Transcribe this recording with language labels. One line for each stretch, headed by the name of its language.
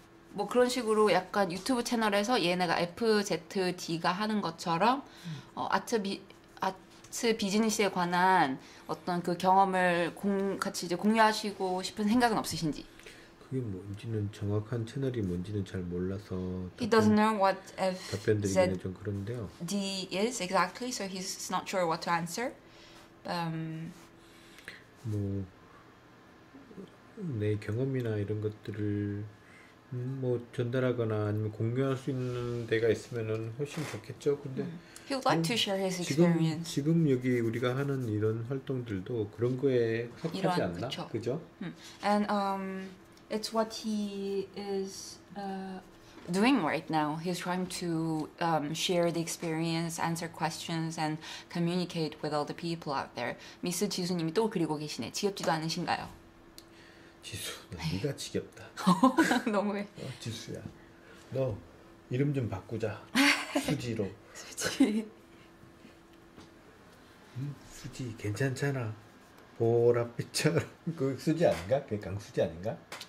Korean: 뭐 그런 식으로 약간 유튜브 채널에서 얘네가 FZD가 하는 것처럼 아트 비즈니스에 관한 어떤 그 경험을 같이 이제 공유하시고 싶은 생각은 없으신지? 그게 뭔지는 정확한 채널이 뭔지는 잘 몰라서
English: He doesn't know what FZD
Korean: 답변 드리기는 좀 그런데요.
English: D is exactly so he's not sure what to answer.
Korean: 뭐 내 경험이나 이런 것들을 뭐 전달하거나 아니면 공유할 수 있는 데가 있으면은 훨씬 좋겠죠. 근데
English: He would like to share his experience.
Korean: 지금 여기 우리가 하는 이런 활동들도 그런 거에 속하지 이런, 않나? 그쵸. 그죠?
English: And it's what he is doing right now. He's trying to share the experience, answer questions and communicate with all the people out there.
Korean: 미스 지수 님이 또 그리고 계시네. 지겹지도 않으신가요? 지수, 너 네가 지겹다. 너무해. 지수야, 너 이름 좀 바꾸자. 수지로. 수지. 수지 괜찮잖아. 보랏빛처럼. 그 수지 아닌가? 그게 강수지 아닌가?